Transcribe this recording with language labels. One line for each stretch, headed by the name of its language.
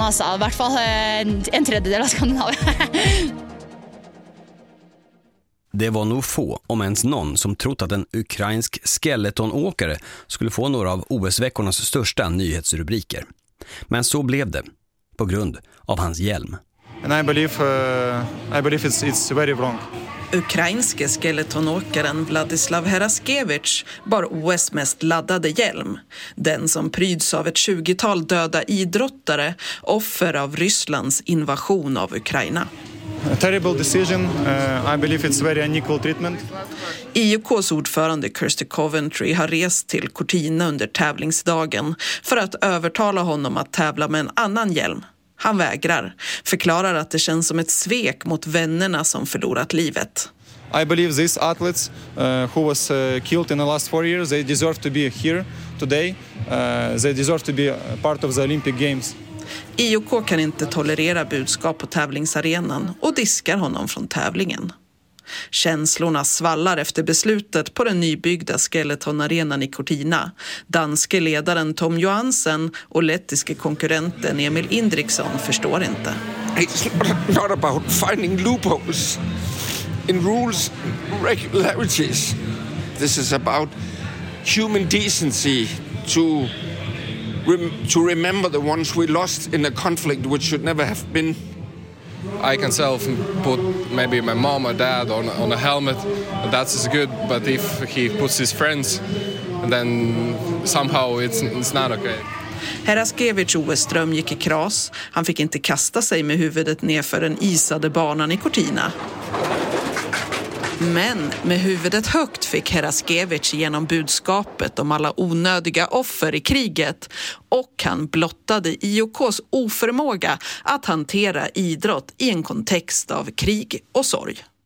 Norwegian: Alltså. I hvert fall en tredjedel av Skandinavia.
Swedish: Det var nog få, om ens någon, som trott att en ukrainsk skeletonåkare skulle få några av OS-veckornas största nyhetsrubriker. Men så blev det, på grund av hans hjälm.
English: And I believe it's very wrong.
Swedish: Ukrainske skeletonåkaren Vladislav Heraskevich bar OS mest laddade hjälm. Den som pryds av ett 20-tal döda idrottare, offer av Rysslands invasion av Ukraina.
English: A terrible decision. I believe it's very unequal treatment.
Swedish: IOKs ordförande Kirsty Coventry har rest till Cortina under tävlingsdagen för att övertala honom att tävla med en annan hjälm. Han vägrar, förklarar att det känns som ett svek mot vännerna som förlorat livet.
English: I believe these athletes who was killed in the last 4 years, they deserve to be here today. They deserve to be part of the Olympic Games.
Swedish: IOK kan inte tolerera budskap på tävlingsarenan och diskar honom från tävlingen. Känslorna svallar efter beslutet på den nybyggda skeletonarenan i Cortina. Danske ledaren Tom Johansen och lettiske konkurrenten Emil Indriksson förstår inte.
English: It's not about finding loopholes in rules regularities. This is about human decency to remember the ones we lost in a conflict which should never have been. I can self put maybe my mom or dad on a helmet, and that's as good, but if he puts his friends, then somehow it's not okay.
Swedish: Heraskevich OS-dröm gick i kras. Han fick inte kasta sig med huvudet ner för den isade banan i Cortina. Men med huvudet högt fick Heraskevich genom budskapet om alla onödiga offer i kriget, och han blottade IOKs oförmåga att hantera idrott i en kontext av krig och sorg.